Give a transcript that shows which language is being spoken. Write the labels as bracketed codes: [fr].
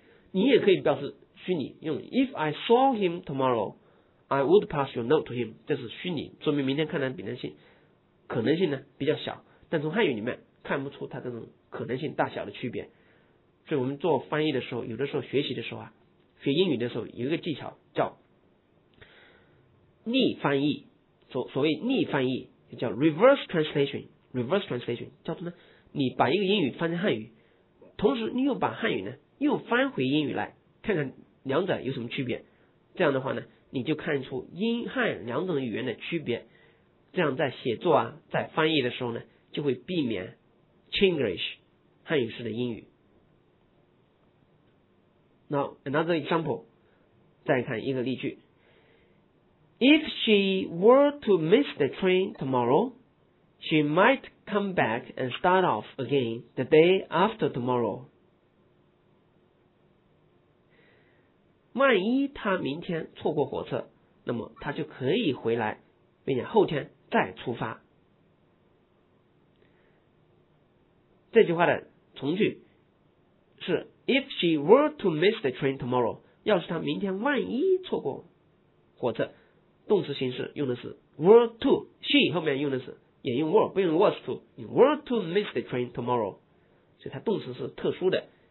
[zh] 你也可以表示虚拟，用 [en] If I saw him tomorrow, I would pass your note to him。 [zh] 这是虚拟，说明明天看来比较性可能性呢比较小，但从汉语里面看不出它这种可能性大小的区别。所以我们做翻译的时候，有的时候学习的时候啊，学英语的时候有一个技巧叫逆翻译。所谓逆翻译叫 reverse translation。reverse translation 叫什么？你把一个英语翻成汉语，同时你又把汉语呢又翻回英语来，看看两者有什么区别。这样的话呢，你就看出英汉两种语言的区别，这样在写作啊在翻译的时候呢，就会避免 Chinglish 汉语式的英语。 [en] Now another example， [zh] 再看一个例句。 [en] If she were to miss the train tomorrow, she mightcome back and start off again the day after tomorrow。 [zh] 万一他明天错过火车，那么他就可以回来并且后天再出发。这句话的从句是 [en] If she were to miss the train tomorrow， [zh] 要是他明天万一错过火车，动词形式用的是 were to， she 后面用的是也用 were， 不用 [en] was to， [zh] 用 [en] were to miss the train tomorrow， [zh] 所以它动词是特殊的。